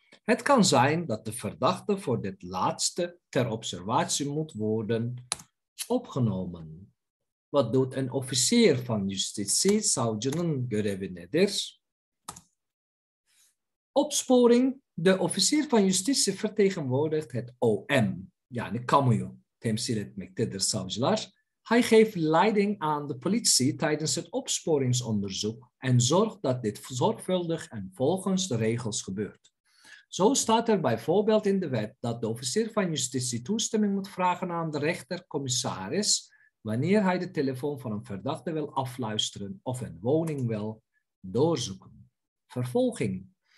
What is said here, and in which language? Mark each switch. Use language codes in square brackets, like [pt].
[nl] Het kan zijn dat de verdachte voor dit laatste ter observatie moet worden opgenomen. Wat doet een officier van justitie? [tr] Savcının görevi nedir? [nl] Opsporing. De officier van justitie vertegenwoordigt het OM. [tr] Yani kamuyu temsil etmektedir savcılar. [nl] Hij geeft leiding aan de politie tijdens het opsporingsonderzoek en zorgt dat dit zorgvuldig en volgens de regels gebeurt. Zo staat er bijvoorbeeld in de wet dat de officier van justitie toestemming moet vragen aan de rechtercommissaris wanneer hij de telefoon van een verdachte wil afluisteren of een woning wil doorzoeken. Vervolging.